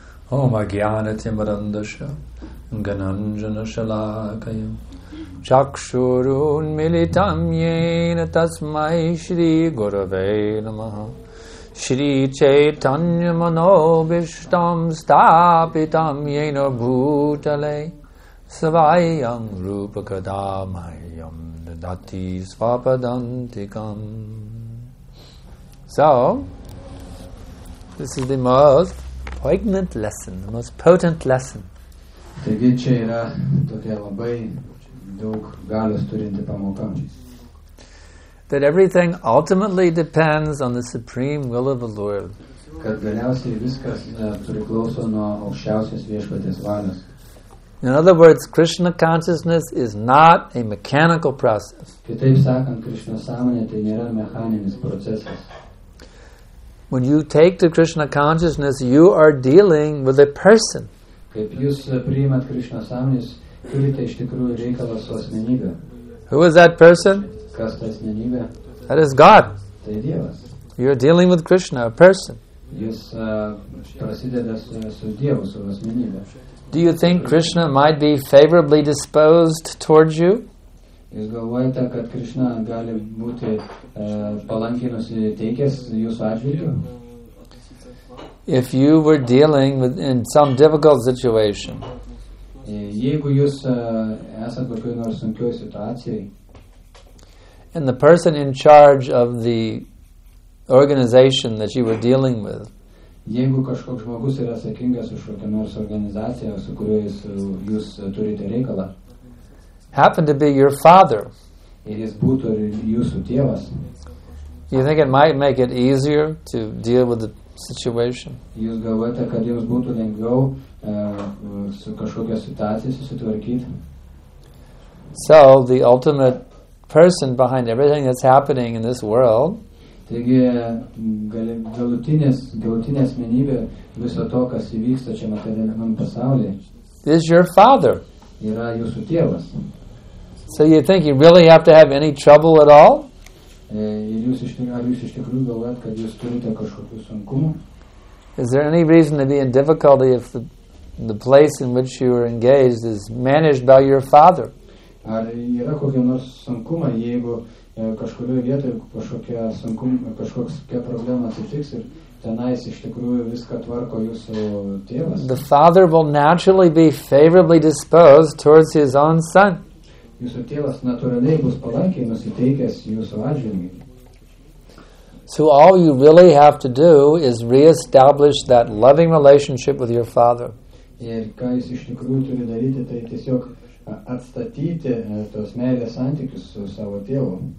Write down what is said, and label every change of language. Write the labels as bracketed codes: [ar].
[sa] Om Agyanatimarandasha Gananjana Shalakaya Chakshurun Militam Yena Tasmai Shri Gurave Namaha Shri Chaitanya Manobishtam Stapitam Yena Bhutale Svayam Rupakadamayam Dati Svapadantikam. [en] So, this is the most poignant lesson, the most potent lesson. [lt] Taigi čia yra tokia labai daug galios turinti pamoka. [en] That everything ultimately depends on the supreme will of the Lord. [lt] Kad galiausiai viskas priklauso nuo aukščiausios viešpaties valios. [en] In other words, Krishna consciousness is not a mechanical process. [lt] Kitaip sakant, Krishna sąmonė tai nėra mechaninis procesas. [en] When you take to Krishna consciousness, you are dealing with a person. [lt] Kaip jūs priimat Krishna sąmonės, turite iš tikrųjų reikalą su asmenybe. [en] Who is that person? [lt] Kas ta asmenybė? [en] That is God. [lt] Tai Dievas. [en] You are dealing with Krishna, a person. [lt] Jis prasideda su Dievu, su asmenybe. [en] Do you think Krishna might be favorably disposed towards you? [lt] Jūs galvojate, kad Krishna gali būti palankiai nusiteikęs jūsų atžvilgiu? [en] If you were dealing with in some difficult situation. [lt] Jeigu jūs esat kokioj nors sunkioj situacijai. [en] And the person in charge of the organization that you were dealing with. [lt] Jeigu kažkoks žmogus yra atsakingas už kokią nors organizaciją, su kuriuo jūs turite reikalą. [en] Happen to be your father. [lt] Ir jis būtų jūsų tėvas. [en] You think it might make it easier to deal with the situation? [lt] Jūs galvojate, kad jums būtų lengviau su kažkokia situacija susitvarkyti? [en] So, the ultimate person behind everything that's happening in this world. [lt] Taigi, galutinė asmenybė viso to, kas įvyksta čia materialiame pasaulyje. [en] Is your father. [lt] Yra jūsų tėvas. [en] So you think you really have to have any trouble at all? [lt] Jūs iš tikrųjų galvojat, kad jūs turite kažkokių sunkumų? [en] Is there any reason to be in difficulty if the place in which you are engaged is managed by your father? [lt] Ar yra kokie nors sunkumai, jeigu kažkurioje vietoje kažkokia problema atsitiks ir tenais iš tikrųjų viską tvarko jūsų tėvas? [en] The father will naturally be favorably disposed towards his own son. [lt] Jūsų tėvas natūraliai bus palankiai nusiteikęs jūsų atžvilgiu. [en] So all you really have to do is reestablish that loving relationship with your father. [lt] Ir ką jūs iš tikrųjų turi daryti, tai tiesiog atstatyti tos meilės santykius su savo tėvu.